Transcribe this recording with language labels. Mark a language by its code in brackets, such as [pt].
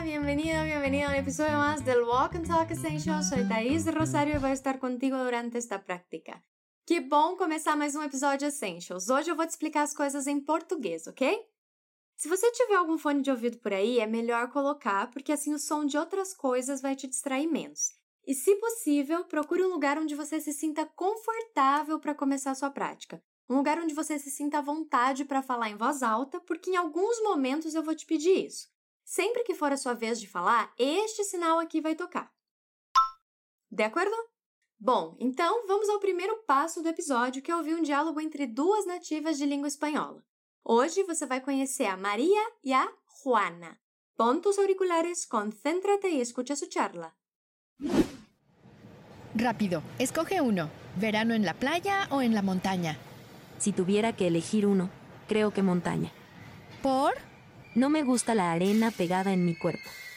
[es] bienvenido, bienvenido a un episodio más del Walk and Talk Essentials. Soy Thais Rosario y voy a estar contigo durante esta práctica. [pt] Que bom começar mais um episódio Essentials. Hoje eu vou te explicar as coisas em português, ok? Se você tiver algum fone de ouvido por aí, é melhor colocar, porque assim o som de outras coisas vai te distrair menos. E se possível, procure um lugar onde você se sinta confortável para começar a sua prática. Um lugar onde você se sinta à vontade para falar em voz alta, porque em alguns momentos eu vou te pedir isso. Sempre que for a sua vez de falar, este sinal aqui vai tocar. De acordo? Bom, então vamos ao primeiro passo do episódio, que é ouvir um diálogo entre duas nativas de língua espanhola. Hoje você vai conhecer a Maria e a Juana. [es] Pon tus auriculares, concéntrate y escucha su charla. Rápido, escoge uno. ¿Verano en la playa o en la montaña? Si tuviera que elegir uno, creo que montaña. ¿Por? No me gusta la arena pegada en mi cuerpo.